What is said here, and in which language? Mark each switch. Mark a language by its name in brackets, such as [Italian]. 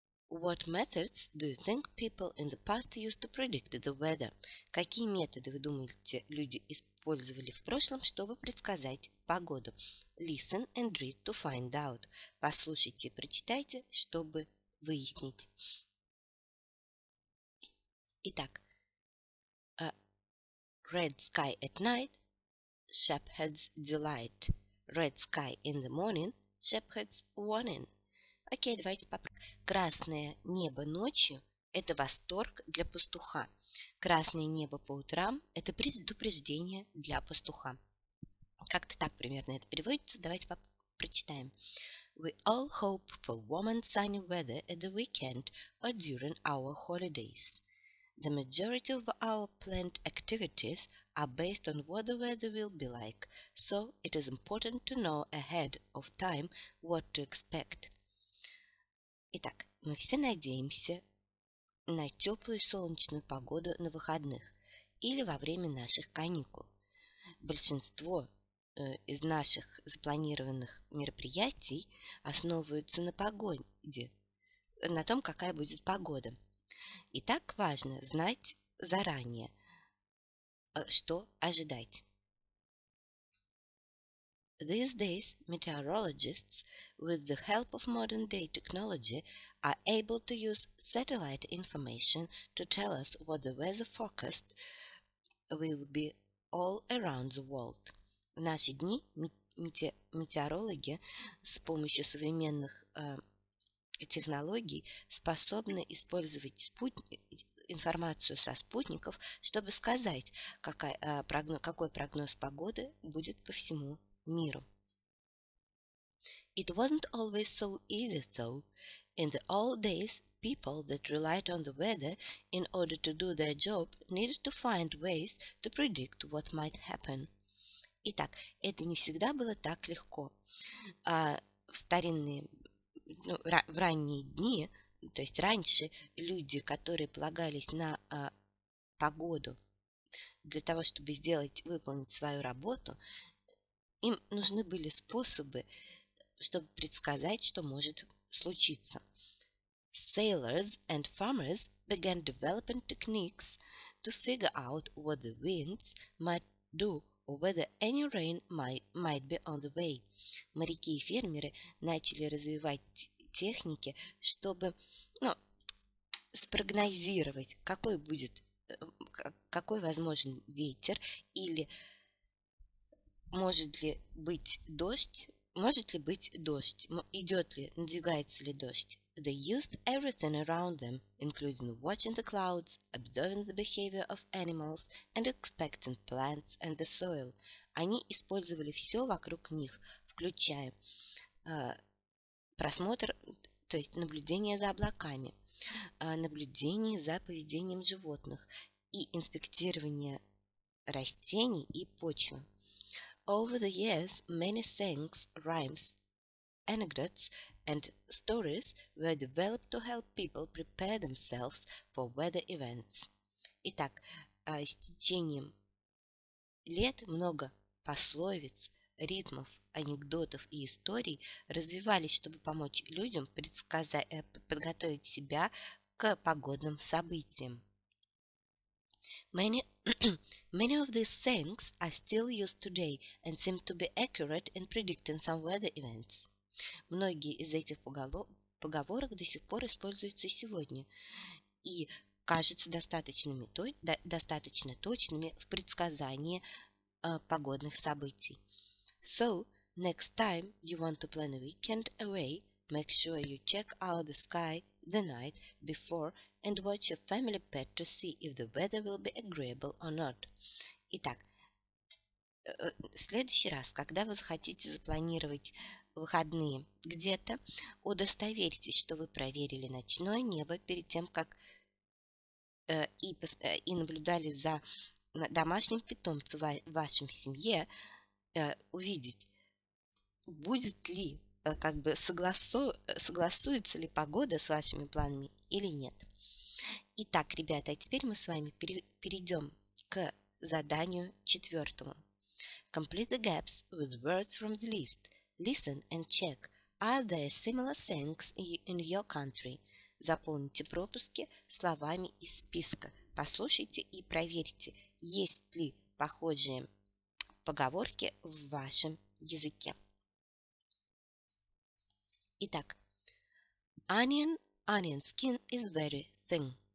[English] What methods do you think people in the past used to predict the weather? [Russian] Какие методы, вы думаете, люди использовали в прошлом, чтобы предсказать погоду? [English] Listen and read to find out. [Russian] Послушайте и прочитайте, чтобы выяснить. Итак, [English] red sky at night, shepherd's delight. Red sky in the morning, shepherd's warning. [Russian] Окей, давайте попробуем. Красное небо ночью – это восторг для пастуха. Красное небо по утрам – это предупреждение для пастуха. Как-то так примерно это переводится. Давайте прочитаем. [English] We all hope for warm and sunny weather at the weekend or during our holidays. The majority of our planned activities are based on what the weather will be like, so it is important to know ahead of time what to expect. [Russian] Итак, мы все надеемся на теплую солнечную погоду на выходных или во время наших каникул. Большинство из наших запланированных мероприятий основываются на погоде, на том, какая будет погода. И так важно знать заранее, что ожидать. [English] These days, meteorologists, with the help of modern-day technology, are able to use satellite information to tell us what the weather forecast will be all around the world. [Russian] В наши дни метеорологи с помощью современных технологий способны использовать информацию со спутников, чтобы сказать, какой прогноз погоды будет по всему миру. [English] It wasn't always so easy, though. In the old days, people that relied on the weather in order to do their job needed to find ways to predict what might happen. [Russian] Итак, это не всегда было так легко. В ранние дни, то есть раньше, люди, которые полагались на погоду для того, чтобы выполнить свою работу, им нужны были способы, чтобы предсказать, что может случиться. [English] Sailors and farmers began developing techniques to figure out what the winds might do or whether any rain might be on the way. [Russian] Моряки и фермеры начали развивать техники, чтобы спрогнозировать, какой возможен ветер или Может ли быть дождь? Надвигается ли дождь? [English] They used everything around them, including watching the clouds, observing the behavior of animals, and expecting plants and the soil. [Russian] Они использовали все вокруг них, включая просмотр, то есть наблюдение за облаками, наблюдение за поведением животных и инспектирование растений и почвы. [English] Over the years, many sayings, rhymes, anecdotes, and stories were developed to help people prepare themselves for weather events. [Russian] Итак, с течением лет много пословиц, ритмов, анекдотов и историй развивались, чтобы помочь людям подготовить себя к погодным событиям. [English] Many of these sayings are still used today and seem to be accurate in predicting some weather events. [Russian] Многие из этих поговорок до сих пор используются сегодня и кажутся достаточно точными в предсказании погодных событий. [English] So, next time you want to plan a weekend away, make sure you check out the sky the night before and watch your family pet to see if the weather will be agreeable or not. [Russian] Итак, в следующий раз, когда вы захотите запланировать выходные где-то, удостоверьтесь, что вы проверили ночное небо перед тем, как и наблюдали за домашним питомцем в вашем семье, увидеть, будет ли, согласуется ли погода с вашими планами или нет. Итак, ребята, а теперь мы с вами перейдем к заданию четвертому. [English] Complete the gaps with words from the list. Listen and check. Are there similar sayings in your country? [Russian] заполните пропуски словами из списка. Послушайте и проверьте, есть ли похожие поговорки в вашем языке. Итак, [English] onion, onion skin is very thin.